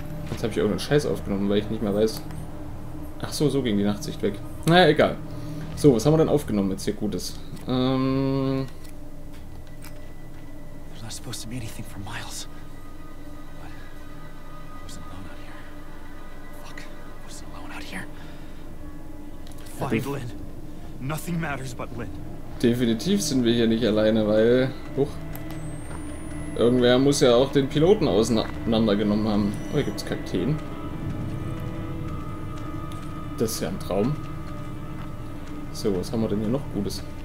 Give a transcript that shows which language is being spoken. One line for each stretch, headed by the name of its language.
German: Jetzt habe ich irgendeinen Scheiß aufgenommen, weil ich nicht mehr weiß. Ach so, so ging die Nachtsicht weg. Naja, egal. So, was haben wir denn aufgenommen jetzt hier Gutes?
English: There's not supposed to be anything for miles. But I was alone out here. Fuck, I was alone out here. Find Lynn. Nothing matters but Lynn.
German: Definitiv sind wir hier nicht alleine, weil. Huch. Irgendwer muss ja auch den Piloten auseinandergenommen haben. Oh, hier gibt's Kakteen. Das ist ja ein Traum. So, was haben wir denn hier noch Gutes?